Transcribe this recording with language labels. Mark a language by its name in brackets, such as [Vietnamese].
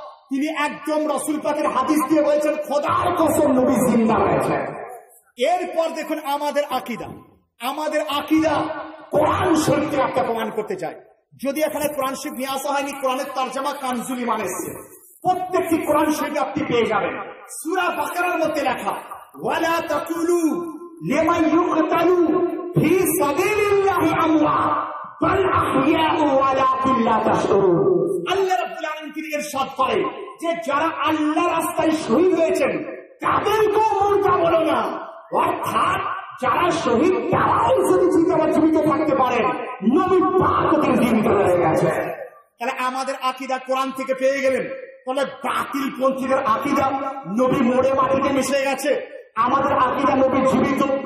[Bangla] তিনি একদম রসুল পাকের হাদিস দিয়ে বলেছেন খোদার কসম নবী জিন্দা রয়েছে। এরপর দেখুন আমাদের আকিদা, আমাদের আকিদা কোরআন শরীফকে আপনাকে প্রমাণ করতে চাই। যদি এখানে কোরআন শরীফ নিয়ে আসা হয়নি, কোরআনের তরজমা কানজুলি মানে এসছে, প্রত্যেকটি কোরআন শরীফ আপনি পেয়ে যাবেন। সূরা বাকারার মধ্যে লেখা [Arabic] ولا تقولوا لمن يقتل في سبيل الله اموات بل احياء ولكن لا تشعرون। [Bangla] আল্লাহ রাব্বুল আলামিন ইরশাদ করে যে যারা আল্লাহর রাস্তায় শহীদ হয়েছে তাদেরকে মুর্দা বলো না, অর্থাৎ যারা শহীদ তারাও যদি জীবিত জীবিত থাকতে পারে নবী পাক তাদের জীবিত হয়ে গেছে। তাহলে আমাদের আকীদা কোরআন থেকে পেয়ে গেলেন। তাহলে বাতিল পন্থীদের আকীদা নবী মরে মাটিতে মিশে গেছে, আমাদের আকীদা নবী জীবিত।